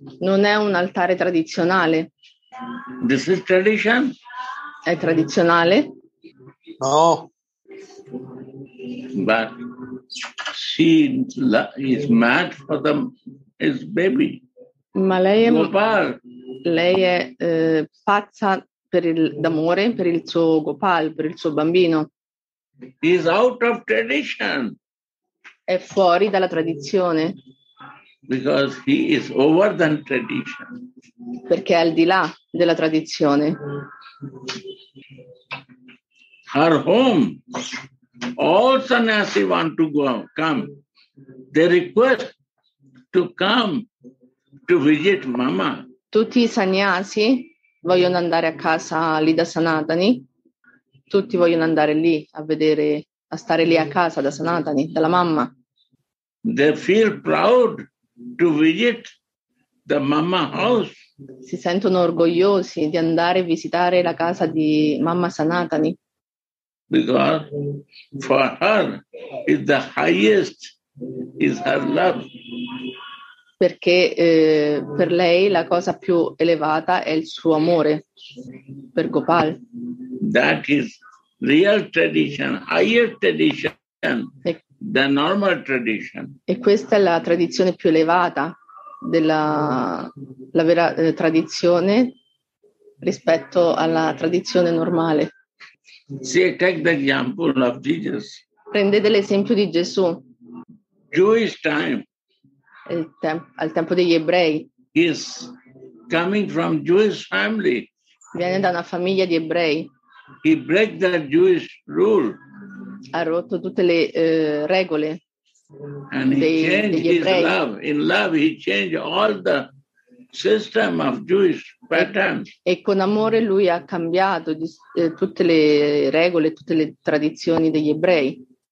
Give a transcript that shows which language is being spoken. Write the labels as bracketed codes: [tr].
[it] Non è un altare tradizionale. [en] This is tradition. [it] È tradizionale? No. [en] But she is mad for the his baby. [it] Ma lei è Gopal. Lei è pazza per il d'amore per il suo Gopal, per il suo bambino. [en] He is out of tradition. [it] È fuori dalla tradizione. [en] Because he is over than tradition. [it] Perché è al di là della tradizione. [en] Her home, all sannyasi want to go, come. They request to come to visit mama. [it] Tutti i sannyasi vogliono andare a casa lì da Sanatani. Tutti vogliono andare lì a vedere, a stare lì a casa da Sanatani, dalla mamma. [en] They feel proud to visit the mama house. [it] Si sentono orgogliosi di andare a visitare la casa di mamma Sanatani. [en] Because for her is the highest is her love. [it] Perché per lei la cosa più elevata è il suo amore per Gopal. [en] That is real tradition, higher tradition than normal tradition. [it] E questa è la tradizione più elevata della la vera tradizione rispetto alla tradizione normale. [en] Sì, take the example of Jesus. [it] Prendete l'esempio di Gesù. [en] Jewish time. [it] Al tempo degli ebrei. [en] Is coming from Jewish family. [it] Viene da una famiglia di ebrei. [en] He break the Jewish rule. [it] Ha rotto tutte le regole. [en] And he changed his love. In love he changed all the system of Jewish pattern. [it] E con amore lui ha cambiato tutte le regole, tutte le tradizioni degli ebrei.